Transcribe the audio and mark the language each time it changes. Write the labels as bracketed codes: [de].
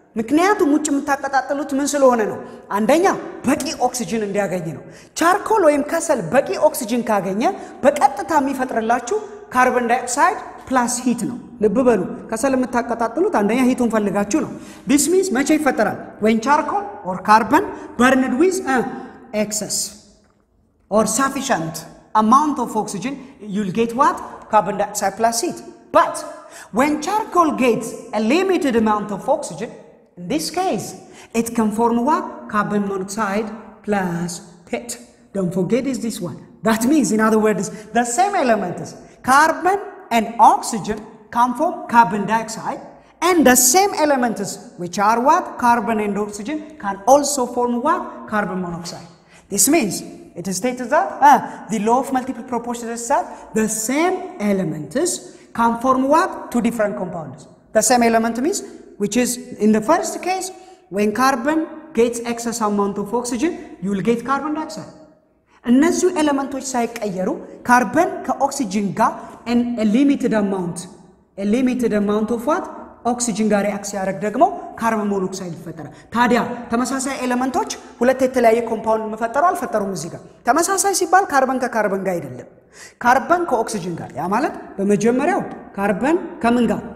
[am] ምክንያቱም ውጭ የምታቀጣጥሉት ምን ስለሆነ ነው? አንደኛ በቂ ኦክሲጅን እንዲያገኝ ነው። ቻርኮል ወይም ከሰል በቂ ኦክሲጅን ካገኘ በቀጥታ የሚፈጥርላችሁ ካርቦን ዳይኦክሳይድ ፕላስ ሂት ነው። ልብ በሉ ከሰል የምታቀጣጥሉት አንደኛ ሂቱን ፈልጋችሁ ነው። [en] this means [am] መቼ ይፈጠራል? [en] when charcoal or carbon burned with excess or sufficient amount of oxygen you'll get what? carbon dioxide plus heat. but when charcoal gets a limited amount of oxygen in this case it can form what? carbon monoxide plus pit. don't forget this one. that means in other words the same elements carbon and oxygen can form carbon dioxide and the same elements which are what? carbon and oxygen can also form what? carbon monoxide. this means it is stated that the law of multiple proportion is that the same elements can form what? two different compounds. the same element means which is in the first case when carbon gets excess amount of oxygen you will get carbon dioxide. [am] እነዚህ ኤሌመንቶች ሳይቀየሩ ካርበን ከኦክሲጅን ጋር [en] a limited amount of what? [am] ኦክሲጅን ጋር ሪአክት ያደርግ ደግሞ ካርቦን ሞኖክሳይድ ይፈጠራል። ታዲያ ተመሳሳይ ኤሌመንቶች ሁለት የተለያየ ኮምፓውንድ መፈጠሩ አልፈጠሩም? እዚህ ጋር ተመሳሳይ ሲባል ካርበን ከካርበን ጋር አይደለም፣ ካርበን ከኦክሲጅን ጋር። ያ ማለት በመጀመሪያው ካርበን ከምን ጋር?